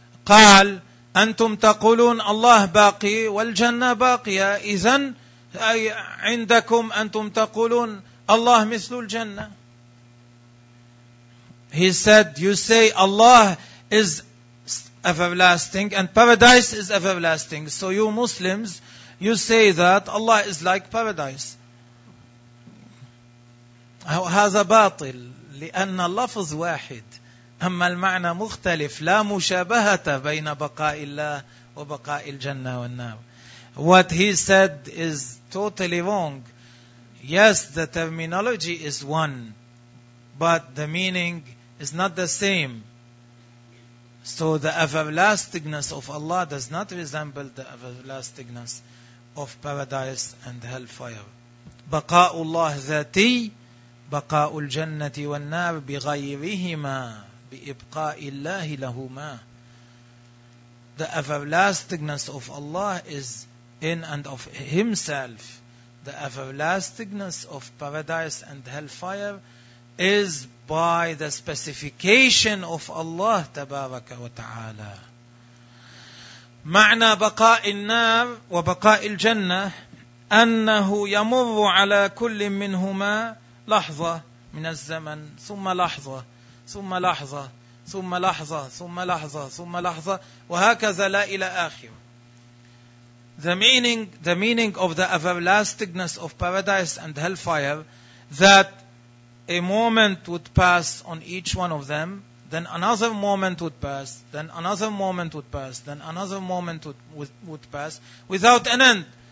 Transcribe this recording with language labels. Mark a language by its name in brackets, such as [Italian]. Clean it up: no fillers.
[Arabic] قال أنتم تقولون الله باقي والجنة باقية، إذن عندكم أنتم تقولون الله مثل الجنة. [English] He said, you say Allah is everlasting and paradise is everlasting. So you Muslims, you say that Allah is like paradise. [Arabic] هذا باطل لأن اللفظ واحد. أما المعنى مختلف. لا مشابهة بين بقاء الله وبقاء الجنة والنار. [English] What he said is totally wrong. Yes, the terminology is one, but the meaning is not the same. So the everlastingness of Allah does not resemble the everlastingness of paradise and hellfire. [Arabic] بقاء الله ذاتي بقاء الجنة والنار بغيرهما بإبقاء الله لهما. [English] The everlastingness of Allah is in and of Himself. The everlastingness of paradise and hellfire is by the specification of Allah [Arabic] تبارك وتعالى. معنى بقاء النار وبقاء الجنة أنه يمر على كل منهما لحظة. من الزمن ثم لحظة ثم لحظة ثم لحظة ثم لحظة ثم لحظة وهكذا لا إلى آخر. [English] The meaning of the everlastingness of paradise and hellfire, that a moment would pass on each one of them, then another moment would pass, then another moment would pass, then another moment would pass without an end.